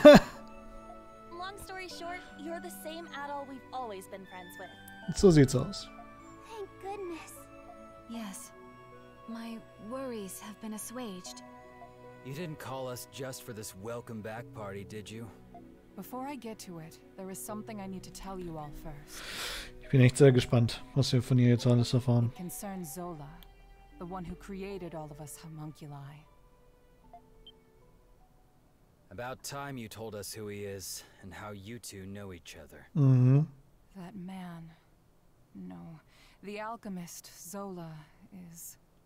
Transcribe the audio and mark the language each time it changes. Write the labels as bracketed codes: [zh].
[en] Long story short, you're the same Adol we've always been friends with. [de] So sieht's aus. [en] Thank goodness. Yes. My worries have been assuaged. You didn't call us just for this welcome back party, did you? Before I get to it, there is something I need to tell you all first. [de] Ich bin echt sehr gespannt, was wir von ihr jetzt alles erfahren. [en] It concerns Zola, the one who created all of us homunculi. About time you told us who he is and how you two know each other. Mm-hmm. That man. No. The alchemist, Zola, is...